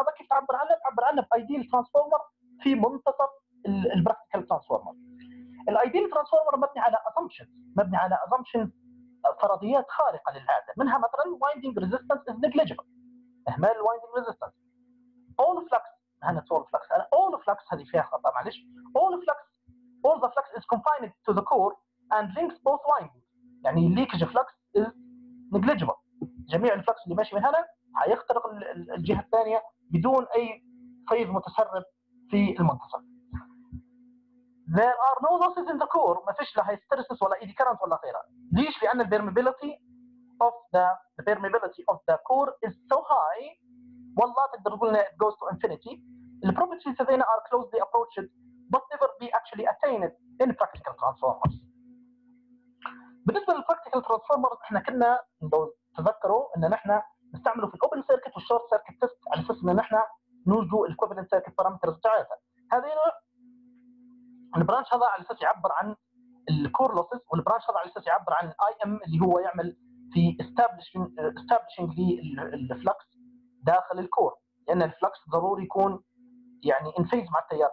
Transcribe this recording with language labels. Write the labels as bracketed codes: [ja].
[ar] هذا كيف تعبر عنه بايديال ترانسفورمر في منتصف البراكتيكال ترانسفورمر. الايديال ترانسفورمر مبني على اسامبشن فرضيات خارقة للعادة، منها مثلاً [en] winding resistance is negligible، [ar] إهمال winding resistance. [en] All flux، هنا all flux، all flux [ar] هذه فيها خطأ معلش. [en] All the flux is confined to the core and links both windings. يعني leakage flux is negligible. [ar] جميع الflux اللي ماشي من هنا هيخترق الجهة الثانية بدون أي فيض متسرب في المنتصف. [en] There are no losses in the core. [ar] ما فيش لا هيستريسس ولا إيدي كارنت ولا غيره. ليش؟ لأن [en] the permeability of the core is so high. [ar] والله تقدر تقولنا [en] it goes to infinity. The properties [ar] هذين [en] are closely approached but never be actually attained in practical transformers. [ar] بالنسبة للpractical transformers إحنا كنا لو تذكروا إن نحنا نستعمله في open circuit والshort circuit test على أساس إن نحنا نوجدوا equivalent circuit parameters بتاعتها. هذين البرانش هذا على اساس يعبر عن الكور لوسز، والبرانش هذا على اساس يعبر عن الاي ام اللي هو يعمل في استابليشنج للفلكس داخل الكور، لان الفلكس ضروري يكون يعني ان فيز مع التيار.